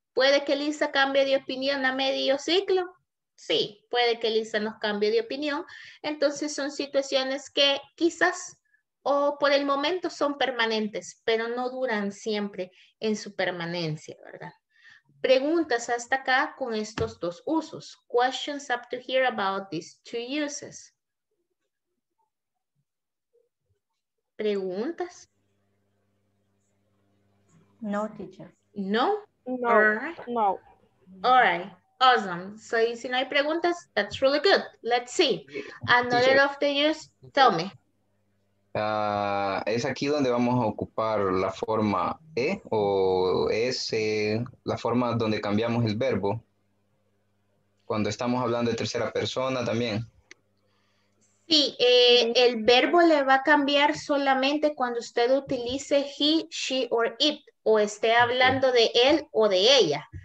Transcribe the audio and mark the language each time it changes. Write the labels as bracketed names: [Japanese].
[Spanish] ¿Puede que Lisa cambie de opinión a medio ciclo? Sí, puede que Lisa nos cambie de opinión. Entonces son situaciones que quizás o por el momento son permanentes, pero no duran siempre en su permanencia, ¿verdad? Preguntas hasta acá con estos dos usos. [English] Questions up to here about these two uses. [Spanish] ¿Preguntas? [English] No, teacher. No? No. All right. No. All right. Awesome. So, [Spanish] si no hay preguntas, [English] that's really good. Let's see. Another teacher, of the use, tell me. [Spanish] Es aquí donde vamos a ocupar la forma E o S, la forma donde cambiamos el verbo. Cuando estamos hablando de tercera persona también. Sí, el verbo le va a cambiar solamente cuando usted utilice [English] he, she or it, [Spanish] o esté hablando de él o de ella.